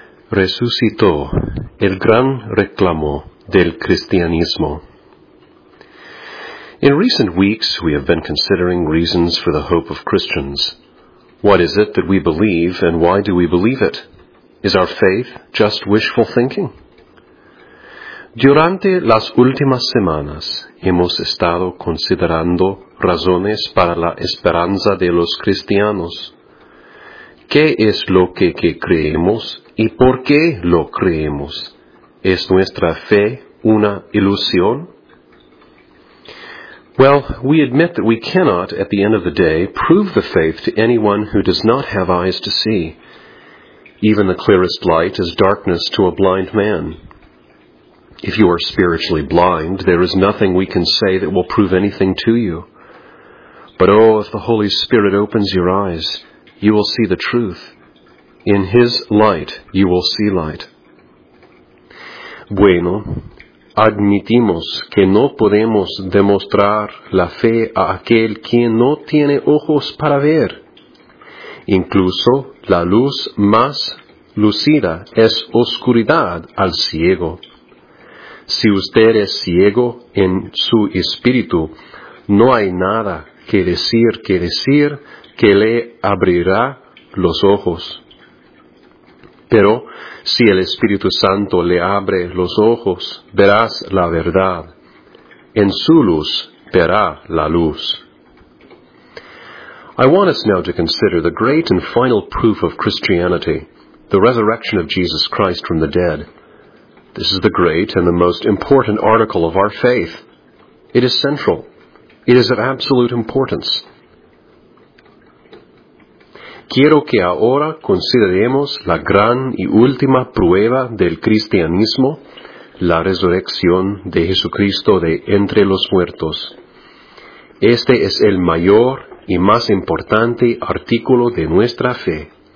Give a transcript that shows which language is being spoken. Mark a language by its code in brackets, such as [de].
[es] resucitó, el gran reclamo del cristianismo. [en] In recent weeks, we have been considering reasons for the hope of Christians. What is it that we believe, and why do we believe it? Is our faith just wishful thinking? [es] Durante las últimas semanas, hemos estado considerando razones para la esperanza de los cristianos. ¿Qué es lo que creemos y por qué lo creemos? ¿Es nuestra fe una ilusión? [en] Well, we admit that we cannot, at the end of the day, prove the faith to anyone who does not have eyes to see. Even the clearest light is darkness to a blind man. If you are spiritually blind, there is nothing we can say that will prove anything to you. But oh, if the Holy Spirit opens your eyes, you will see the truth. In His light, you will see light. [es] Bueno, admitimos que no podemos demostrar la fe a aquel quien no tiene ojos para ver. Incluso la luz más lucida es oscuridad al ciego. Si usted es ciego en su espíritu, no hay nada que decir que le abrirá los ojos. Pero si el Espíritu Santo le abre los ojos, verás la verdad. En su luz verá la luz. [en] I want us now to consider the great and final proof of Christianity, the resurrection of Jesus Christ from the dead. This is the great and the most important article of our faith. It is central. It is of absolute importance. [es] Quiero que ahora consideremos la gran y última prueba del cristianismo, la resurrección de Jesucristo de entre los muertos. Este es el mayor y más importante artículo de nuestra fe.